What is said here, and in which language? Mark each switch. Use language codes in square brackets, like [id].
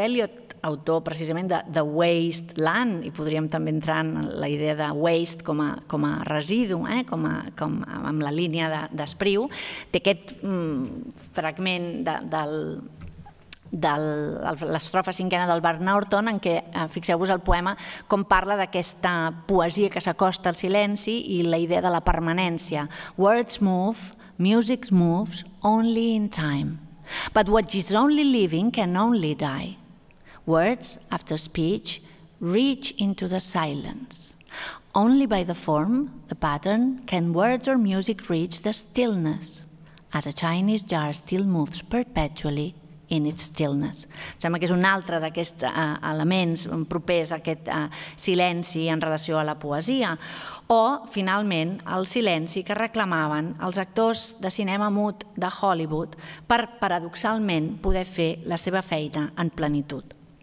[ca] Eliot, autor precisament de The Waste Land, i podríem també entrar en la idea de waste com a residu, com amb la línia d'Espriu, té aquest fragment de l'estrofa cinquena del Bart Norton, en què, fixeu-vos el poema, com parla d'aquesta poesia que s'acosta al silenci i la idea de la permanència. [en] Words move, music moves only in time, but what is only living can only die. Words, after speech, reach into the silence. Only by the form, the pattern, can words or music reach the stillness, as a Chinese jar still moves perpetually in its stillness. [ca] Em sembla que és un altre d'aquests elements propers a aquest silenci en relació a la poesia, o, finalment, el silenci que reclamaven els actors de cinema mut de Hollywood per, paradoxalment, poder fer la seva feina en plenitud.